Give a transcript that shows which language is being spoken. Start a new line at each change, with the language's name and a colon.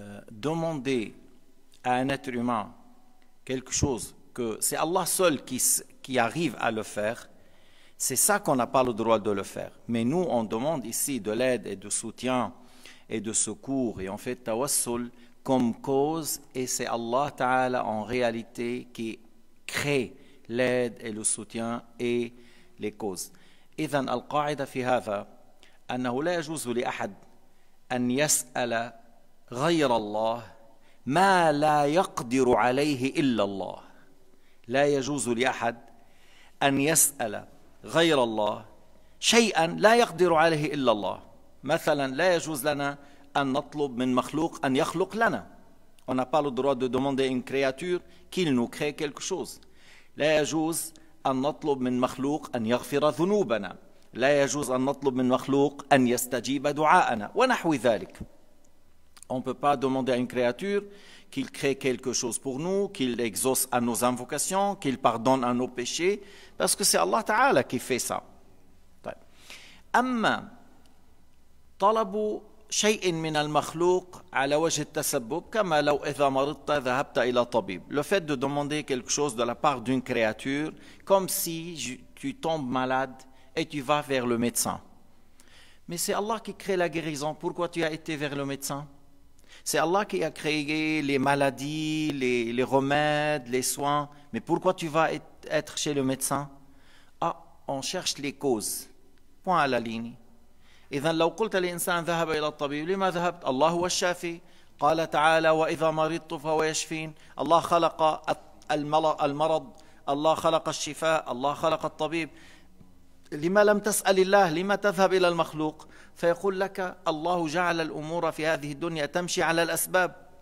French: demander à un être humain quelque chose que c'est Allah seul qui arrive à le faire, c'est ça qu'on n'a pas le droit de le faire. Mais nous, on demande ici de l'aide et de soutien et de secours, et on fait tawassul comme cause, et c'est Allah Ta'ala en réalité qui crée l'aide et le soutien et les causes.
Arabic: إذن القاعدة في هذا أنه لا يجوز لأحد أن يسأل غير الله ما لا يقدر عليه إلا الله. لا يجوز لأحد أن يسأل غير الله شيئا لا يقدر عليه إلا الله. مثلا لا يجوز لنا أن نطلب من مخلوق أن يخلق لنا.
French: On n'a pas le droit de demander une créature qu'il nous crée quelque chose.
Arabic: لا يجوز أن نطلب من مخلوق أن يغفر ذنوبنا. لا يجوز أن نطلب من مخلوق أن يستجيب دعاءنا ونحو ذلك.
French: On peut pas demander à une créature qu'il crée quelque chose pour nous, qu'il exauce à nos invocations, qu'il pardonne à nos péchés, parce que c'est Allah Ta'ala qui fait ça.
Arabic: أما طلب شيء من المخلوق على وجه التسبب كما لو إذا مرضت ذهبت إلى طبيب.
French: Le fait de demander quelque chose de la part d'une créature, comme si tu tombes malade et tu vas vers le médecin. Mais c'est Allah qui crée la guérison. Pourquoi tu as été vers le médecin? C'est Allah qui a créé les maladies, les remèdes, les soins. Mais pourquoi tu vas être chez le médecin? Ah, on cherche les causes. Point à la ligne. Et donc,
Arabic: لو قلت الإنسان ذهب إلى الطبيب لما ذهبت؟ الله هو الشافي. قال تعالى وإذا مرضت فهو يشفين. الله خلق المرض. الله خلق الشفاء. الله خلق الطبيب. لما لم تسأل الله؟ لما تذهب إلى المخلوق؟ فيقول لك الله جعل الأمور في هذه الدنيا تمشي على الأسباب.